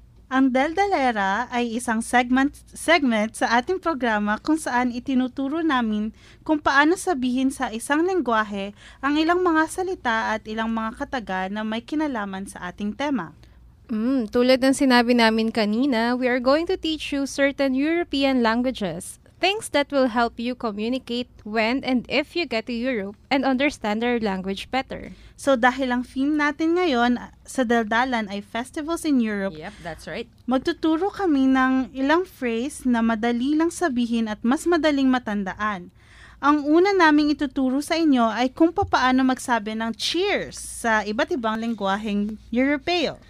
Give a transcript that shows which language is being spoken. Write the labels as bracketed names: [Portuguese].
[Filipino] Ang Daldalera ay isang segment sa ating programa kung saan itinuturo namin kung paano sabihin sa isang lengguwahe ang ilang mga salita at ilang mga kataga na may kinalaman sa ating tema. Tulad ng sinabi namin kanina, [English] we are going to teach you certain European languages, things that will help you communicate when and if you get to Europe and understand their language better. [Filipino] So dahil ang theme natin ngayon sa Daldalan ay [English] festivals in Europe. Yep, that's right. [Filipino] Magtuturo kami ng ilang phrase na madali lang sabihin at mas madaling matandaan. Ang una naming ituturo sa inyo ay kung paano magsabi ng cheers sa iba't ibang lingwaheng Europeo.